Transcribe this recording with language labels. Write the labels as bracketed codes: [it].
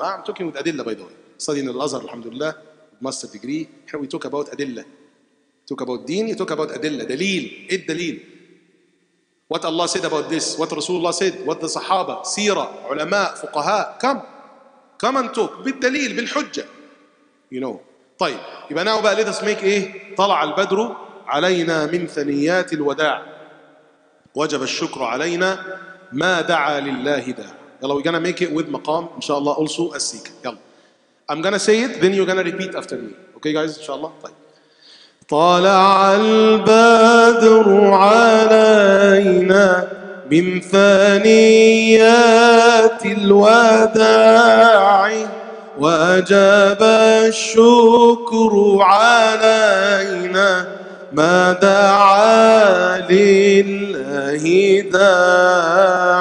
[en] I'm talking with Adilla, by the way. Studying Al-Azhar, alhamdulillah, master degree. Here we talk about Adilla. Talk about deen, you talk about Adilla. Dalil, id dalil. What Allah said about this, what Rasulullah said, what the Sahaba, Sira, Ulama, Fuqaha. Come and talk. Bid dalil, bil hujja. You know. طيب. [ar] يبقى [en] now, let us make a [ar] طلع البدر علينا من ثنيات الوداع. وجب الشكر علينا ما دعا لله دعا. [en] يلا, we're gonna make it with مقام, inshallah, also a seek. يلا. I'm gonna say it, then you're gonna repeat after me. Okay, guys, inshallah. طيب. [ar] طلع البدر علينا من ثنيات الوداع وأجاب الشكر علينا ما دعا لله داع